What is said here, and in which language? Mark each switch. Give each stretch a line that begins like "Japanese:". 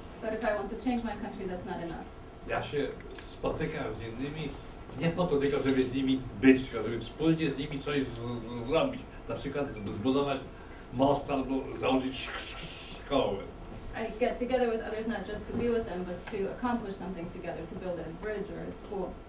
English: But if I want to change my country, that's not enough.
Polish: Ja się spotykam z innymi nie po to tylko, żeby z nimi być, tylko żeby wspólnie z nimi coś zrobić. Na przykład zbudować most albo założyć szkołę.
English: I get together with others not just to be with them, but to accomplish something together, to build a bridge or a school.